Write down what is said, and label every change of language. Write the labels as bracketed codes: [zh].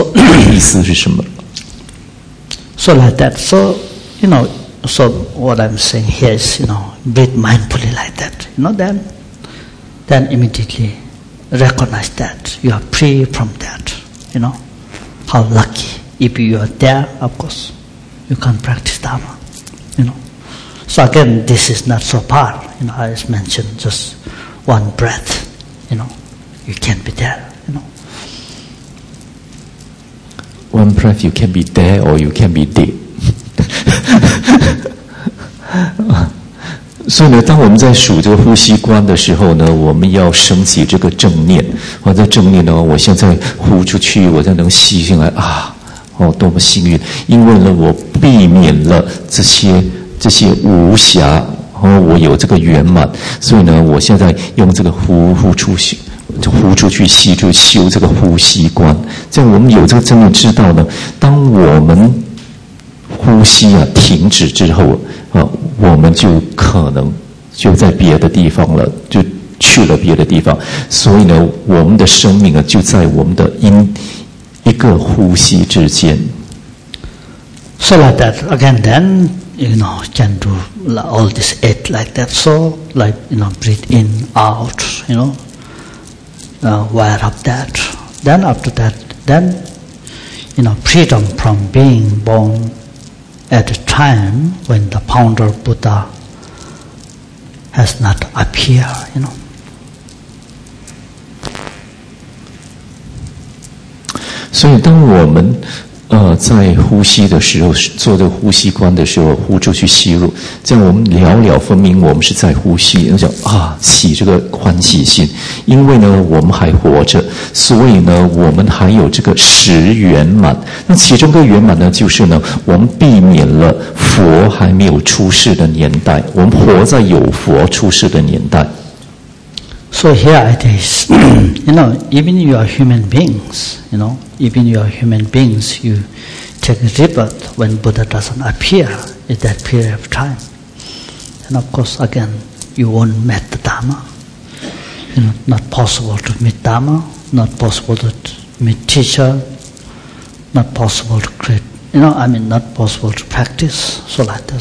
[zh] 所以他也不知道他们究竟是意思是什么。So [en] like that, so, you know, so what I'm saying here is, you know, breathe mindfully like that, you know, then immediately, recognize that you are free from that, you know. How lucky if you are there, of course, you can practice Dharma, you know. So, again, this is not so far, you know. I just mentioned just one breath, you know, you can be there, you know. One breath, you can be there or you can be dead. [zh] 所以呢，当我们在数这个呼吸观的时候呢，我们要升起这个正念。我在正念呢，我现在呼出去，我才能吸进来啊！哦，多么幸运！因为呢，我避免了这些无暇，然后我有这个圆满，所以呢，我现在用这个呼出去。呼出去吸出去修这个呼吸观，这样我们有这个真的知道呢，当我们呼吸啊停止之后啊，我们就可能就在别的地方了，就去了别的地方，所以呢我们的生命啊就在我们的因一个呼吸之间。 [en] So like that again then you know can do all this eight like that, so like you know breathe in out you knowwire up that, then after that, then, you know, freedom from being born at the time when the founder Buddha has not appeared, you know. [zh] 所以当我们在呼吸的时候，做着呼吸观的时候，呼出去吸入，这样我们了了分明我们是在呼吸，就讲啊，起这个欢喜心，因为呢我们还活着，所以呢我们还有这个十圆满，那其中的圆满呢就是呢我们避免了佛还没有出世的年代，我们活在有佛出世的年代。 [en] So here it is. You know, even you are human beings, you knowEven you are human beings, you take rebirth when Buddha doesn't appear in that period of time. And of course, again, you won't meet the Dharma. You know, not possible to meet Dharma, not possible to meet teacher, not possible to create, you know, I mean, not possible to practice, so like that.